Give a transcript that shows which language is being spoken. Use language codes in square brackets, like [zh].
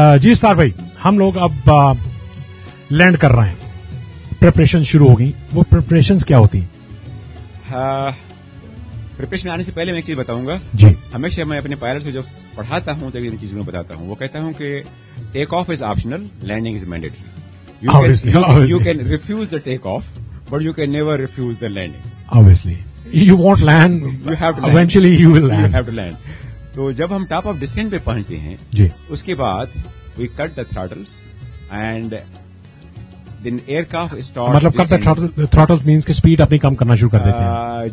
[ur] جی سار بھائی، ہم لوگ اب لینڈ کر رہے ہیں، پریپریشن شروع ہو گئی. وہ پریپریشن کیا ہوتی ہیں؟ پریپریشن آنے سے پہلے میں ایک چیز بتاؤں گا. جی، ہمیشہ میں اپنے پائلٹ سے جب پڑھاتا ہوں تو ان چیزوں میں بتاتا ہوں، وہ کہتا ہوں کہ [en] Take off is optional, landing is mandatory. You can refuse the take off but you can never refuse the landing. Obviously you want land, you have to, eventually you will land, you have to land. [ur] تو جب ہم top of dissent پہ پہنچتے ہیں، جی، اس کے بعد [en] we cut the throttles and then aircraft start [ur] مطلب کب تھروٹل مینز کہ سپیڈ اپنی کم کرنا شروع کر دیتے ہیں